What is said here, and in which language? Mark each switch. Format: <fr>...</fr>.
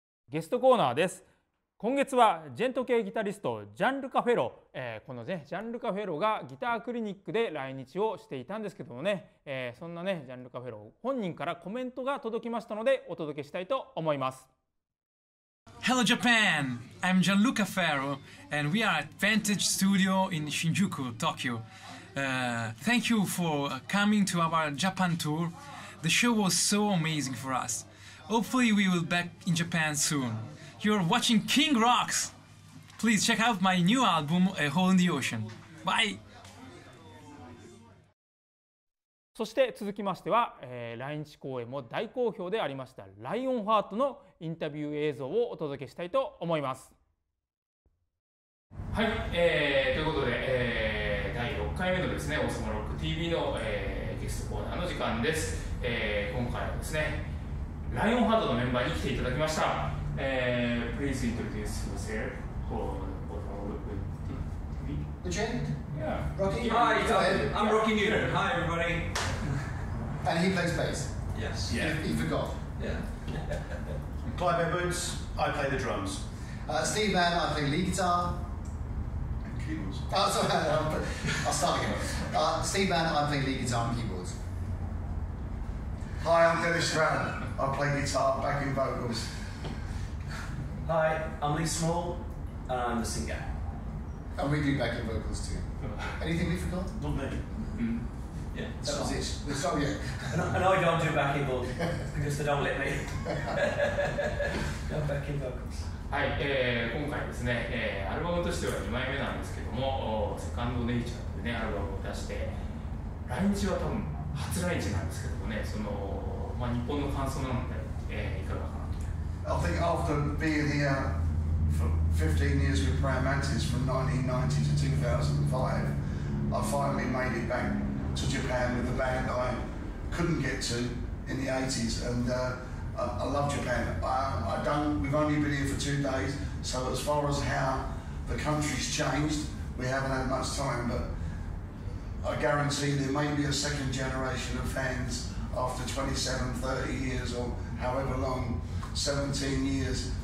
<ja>ゲストコーナーです。今月はジェント系ギタリストジャンルカフェロ、このねジャンルカフェロがギタークリニックで来日をしていたんですけどもね、そんなねジャンルカフェロ本人からコメントが届きましたのでお届けしたいと思います。</ja> <en>Hello Japan, I'm Gianluca Ferro and we are at Vantage Studio in Shinjuku, Tokyo. Thank you for coming to our Japan tour. The show was so amazing for us. Hopefully we will back in Japan soonYou're watching King Rocks! Please check out my new album, A Hole in the Ocean. Bye!</en> <ja>そして続きましては、来日公演も大好評でありましたライオンハートのインタビュー映像をお届けしたいと思います。はい、ということで、第6回目のですね、オスモロック TV の、ゲストコーナーの時間です。今回はですね、ライオンハートのメンバーに来ていただきました。</ja> <en>Please introduce yourself for both our group and the TV. The Chant? Yeah. Rocky Newton. Hi, I'm Rocky Newton. Hi, everybody. And he plays bass. Yes. Yeah. He forgot. Yeah. Clive Edwards, I play the drums. Steve Mann, I play lead guitar. And keyboards. Oh, sorry, I'll start again. Steve Mann, I play lead guitar and keyboards. Hi, I'm Dennis Brown. I play guitar, backing vocals. Hi, I'm Lee Small, and I'm the singer. And we do backing vocals too. Anything we forgot? Not me. Mm-hmm. Yeah, that was it. We saw you. And I don't do backing vocals because they don't let me. No backing vocals.</en> <ja>はい、今回ですね、アルバムとしては2枚目なんですけども、セカンドネイチャーというねアルバムを出して、来日は多分初来日なんですけどもね、そのまあ日本の感想なので、いかがかなと。</ja> <en>I think after being here for 15 years with Prayer Mantis from 1990 to 2005, I finally made it back to Japan with a band I couldn't get to in the 80s and. I love Japan. We've only been here for 2 days, so as far as how the country's changed, we haven't had much time, but I guarantee there may be a second generation of fans after 27, 30 years, or however long, 17 years,</en>